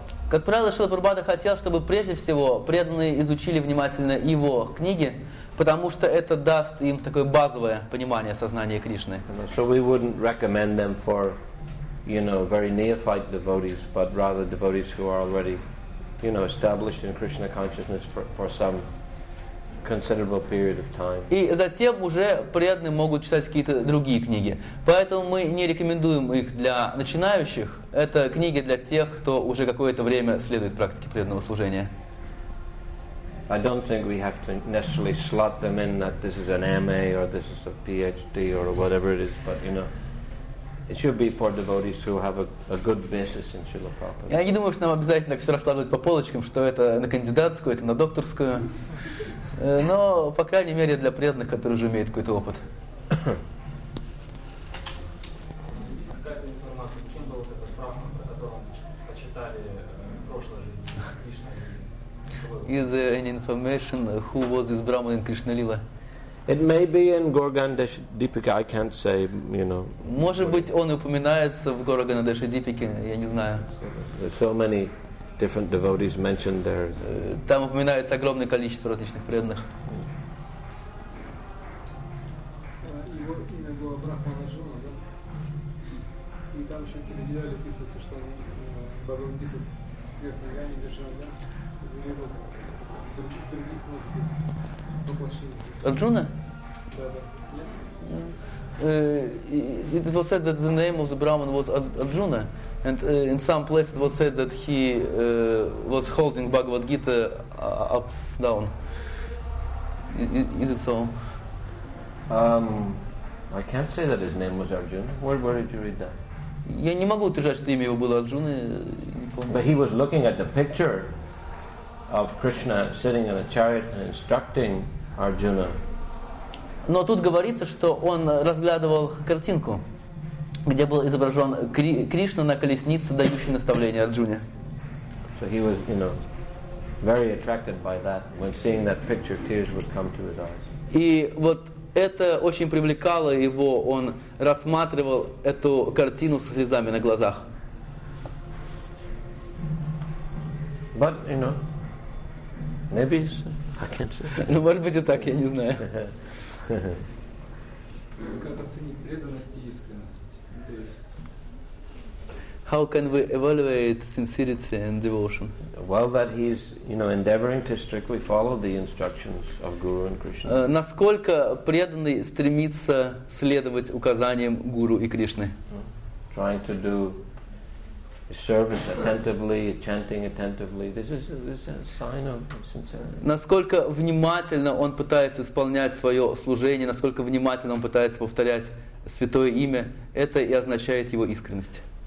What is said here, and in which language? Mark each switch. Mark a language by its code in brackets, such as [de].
[ru] Как правило, Шрила Прабхупада хотел, чтобы прежде всего преданные изучили внимательно его книги, потому что это даст им такое базовое понимание сознания Кришны. [en] So we wouldn't recommend them for, you know, very neophyte devotees, but rather devotees who are already, you know, established in Krishna consciousness for some considerable period of time. [ru] И затем уже преданные могут читать какие-то другие книги. Поэтому мы не рекомендуем их для начинающих. Это книги для тех, кто уже какое-то время следует практике преданного служения. [en] I don't think we have to necessarily slot them in that this is an MA or this is a PhD or whatever it is, but you know, it should be for devotees who have a good basis in Srila Prabhupada. [ru] Я не думаю, что нам обязательно все раскладывать по полочкам, что это на кандидатскую, это на докторскую. Но, по крайней мере, для преданных, которые уже имеют какой-то опыт. Есть какая-то информация, кем был этот брахман, про которого мы почитали в прошлой жизни Кришна? [en] Is there any information, who was this brahman in Krishna Lila? It may be in Gaurganadesha Deepika, I can't say, you know. [ru] Может быть, он упоминается в Gaurganadesha Deepika, я не знаю. [en] There's so many different devotees mentioned there. [ru] Там упоминается огромное количество различных преданных. Его имя было Брахманаджуна, да? и там еще индивидуально писалось, что он Бхагавадгиту верхнего Яни держал, да? У него других воплощений. Арджуна? Да, да. [en] It was said that the name of the Brahman was Arjuna, and in some place it was said that he was holding Bhagavad Gita up down. Is it so? I can't say that his name was Arjuna. Where did you read that? [ru] Я не могу утверждать, что имя его было Арджуна. [en] But he was looking at the picture of Krishna sitting in a chariot and instructing Arjuna. [ru] Но тут говорится, что он разглядывал картинку, где был изображен Кришна на колеснице, дающий наставление Арджуне. [en] So he was, you know, very attracted by that. When seeing that picture, tears would come to his eyes. [ru] И вот это очень привлекало его. Он рассматривал эту картину со слезами на глазах. [en] But, you know, maybe it's, I can't say. [ru] Ну, может быть, и так, я не знаю. Как оценить преданность и искренность? [en] How can we evaluate sincerity and devotion? Well, that he's, you know, endeavoring to strictly follow the instructions of Guru and Krishna. [ru] Насколько преданный стремится следовать указаниям Гуру и Кришны? [en] Trying to do service attentively, chanting attentively. This is a sign of sincerity. [ru] Насколько внимательно он пытается исполнять свое служение, насколько внимательно он пытается повторять святое имя, это и означает его искренность.